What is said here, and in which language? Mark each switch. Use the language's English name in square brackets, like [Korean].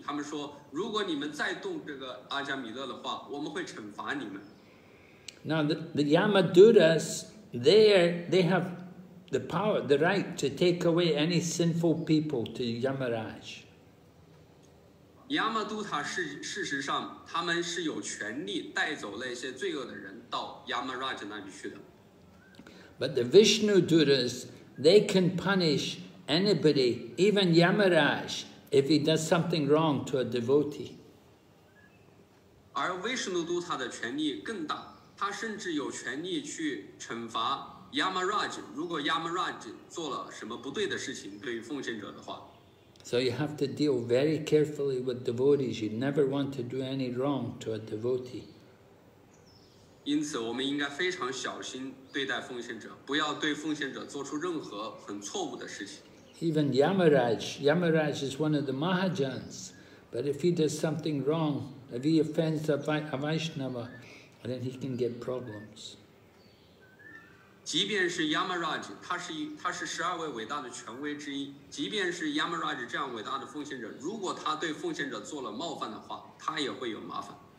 [Chinese] 他们说，如果你们再动这个阿加米勒的话，我们会惩罚你们。 [English] Now the Yamadutas they have. The power, the right to take away any sinful people to Yamaraj. [Chinese] Yamaduta, 事实上，他们是有权利带走那些罪恶的人到 Yamaraj 那里去的。 [English] But the Vishnu Duras, they can punish anybody, even Yamaraj, if he does something wrong to a devotee. [Chinese] 而 Vishnu Duta 的权力更大，他甚至有权利去惩罚。 Yamaraj, 如果 Yamaraj 做了什么不对的事情对于奉献者的话。 [English] So you have to deal very carefully with devotees. You never want to do any wrong to a devotee. [Chinese] 因此我们应该非常小心对待奉献者，不要对奉献者做出任何很错误的事情。 [English] Even Yamaraj is one of the Mahajans, but if he does something wrong, if he offends a Vaishnava, then he can get problems. [Chinese] 即便是 Yamaraj, 他是十二位伟大的权威之一，即便是 Yamaraj 这样伟大的奉献者，如果他对奉献者做了冒犯的话，他也会有麻烦。